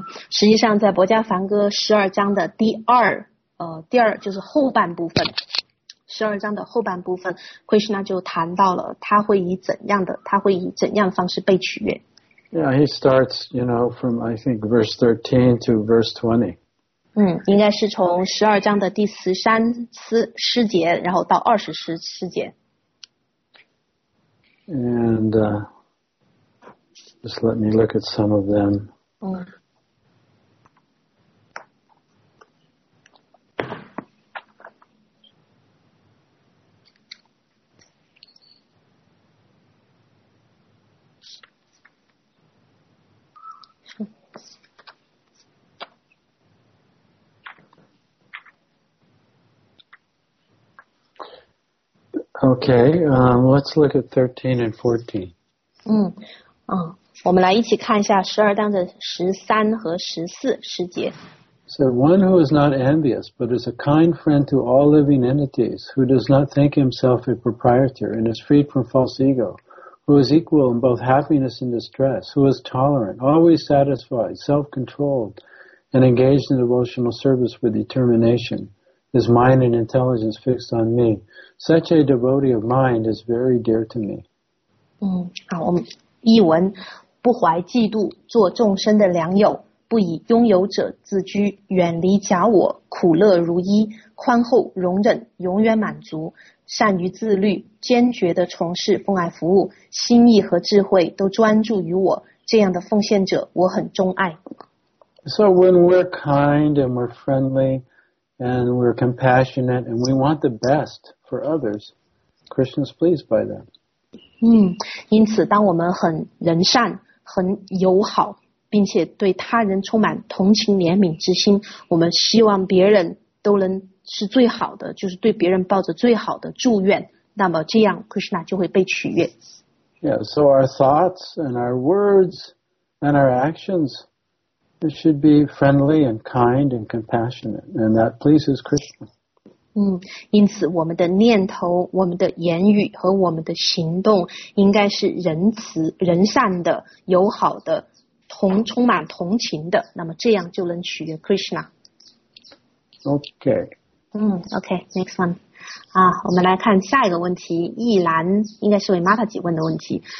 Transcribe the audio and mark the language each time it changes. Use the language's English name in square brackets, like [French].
[Chinese] 实际上在《薄伽梵歌》十二章的第二。第二就是后半部分，十二章的后半部分 ，Krishna 就谈到了他会以怎样的方式被取悦。 [English] Yeah, he starts, you know, from I think verse 13 to verse 20. [Chinese] 应该是从十二章的第十三十节，然后到二十十节。 [English] And just let me look at some of them. Okay, let's look at 13 and 14. [Chinese] 我们来一起看一下12章的13和14十节。 [English] So one who is not envious, but is a kind friend to all living entities, who does not think himself a proprietor, and is freed from false ego, who is equal in both happiness and distress, who is tolerant, always satisfied, self-controlled, and engaged in devotional service with determination. His mind and intelligence fixed on me. Such a devotee of mind is very dear to me. [Chinese] 好，我们译文，不怀嫉妒，做众生的良友，不以拥有者自居，远离假我，苦乐如一，宽厚容忍，永远满足，善于自律，坚决的从事奉爱服务，心意和智慧都专注于我，这样的奉献者我很钟爱。 [English] So when we're kind and we're friendly,And we're compassionate, and we want the best for others. Krishna's pleased by that. [Chinese] 因此当我们很仁善、很友好，并且对他人充满同情怜悯之心，我们希望别人都能是最好的，就是对别人抱着最好的祝愿，那么这样 Krishna 就会被取悦。 [English] Yeah, so our thoughts and our words and our actions. It should be friendly and kind and compassionate, and that pleases Krishna. [Chinese] 因此我们的念头、我们的言语和我们的行动应该是仁慈、仁善的、友好的、充满同情的，那么这样就能取悦 Krishna. [English] Okay. Okay, next one. [Chinese] 我们来看下一个问题，易兰应该是为 Mataji 问的问题。